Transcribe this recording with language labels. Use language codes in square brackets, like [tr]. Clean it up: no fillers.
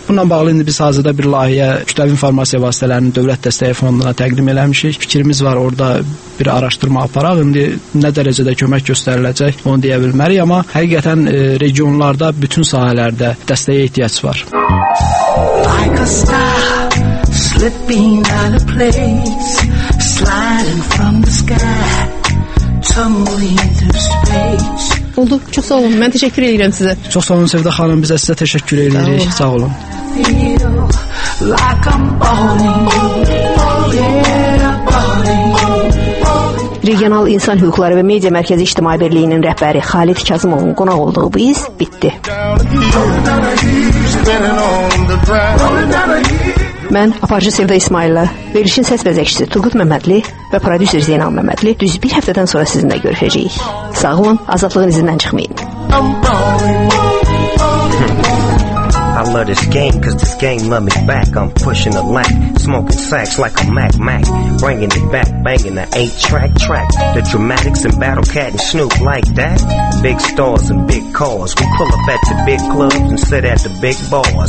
[az] Bununla bağlı indi biz hazırda bir layihə kütləvi informasiya vasitələrinin dövlət dəstəyi fonduna təqdim eləmişik. Fikrimiz var orada bir araşdırma aparaq, indi nə dərəcədə kömək göstəriləcək onu deyə bilmərik, amma həqiqətən regionlarda bütün sahələrdə dəstəyə ehtiyac var. [en] Like a star, slipping out of place, sliding from the sky, tumbling through space. [az] Oldu, çox sağ olun, mən təşəkkür edirəm sizə. Çox sağ olun Sevda xanım, biz sizə təşəkkür edirik, sağ olun. Regional İnsan Hüquqları və Media Mərkəzi İctimai Birliyinin rəhbəri Xalid Kazımovun qonaq olduğu bu iz bitdi. Mən aparıcı Sevda İsmailla, verilişin səs bəzəkçisi Turqut Məmmədli və prodüser Zeynal Məmmədli düz bir həftədən sonra sizinlə görüşəcəyik. Sağ olun, azadlığın izindən çıxmayın. [en] I love this game, cause this game love me back. I'm pushing the lack, smoking sacks like a Mac. Bringing it back, banging the 8-track. The dramatics and Battle Cat and Snoop like that. Big stars and big cars. We pull up at the big clubs and sit at the big bar.